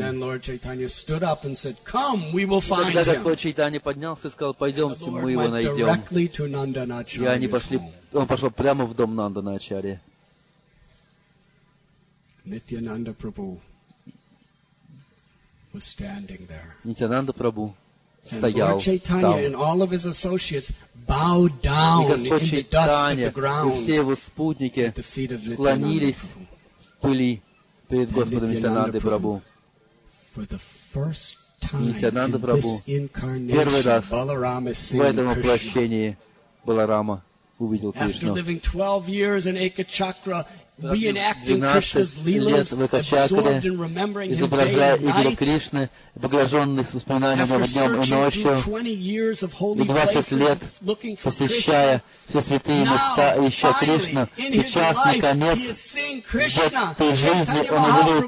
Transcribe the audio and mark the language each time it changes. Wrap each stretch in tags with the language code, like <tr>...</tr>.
<en>And then Lord Chaitanya stood up and said, "Come, we will find him."</en> <ru>Тогда Господь Чайтанья поднялся и сказал, "Пойдемте, мы его найдем."</ru> <en>Directly to Nanda Acharya.</en> <ru>И они пошли. Он пошел прямо в дом Нанда Начари.</ru> <en>Nityananda Prabhu was standing there. Nityananda Prabhu. And Lord Chaitanya and all of his associates bowed down in the dust at the ground.</en> <ru>Все его спутники склонились в пыли перед Господом Нитянандой Прабху.</ru> <en>For the first time in this incarnation, Balaram is seeing</en> <ru>Krishna. В этом воплощении Баларама увидел Кришну.</ru> <en>After living 12 years in Ekachakra, reenacting Krishna's leelas, absorbed in remembering him day and night, after searching through 20 years of holy places, looking for Krishna, now finally, in his life, he is seeing Krishna, Chaitanya Mahaprabhu,</en>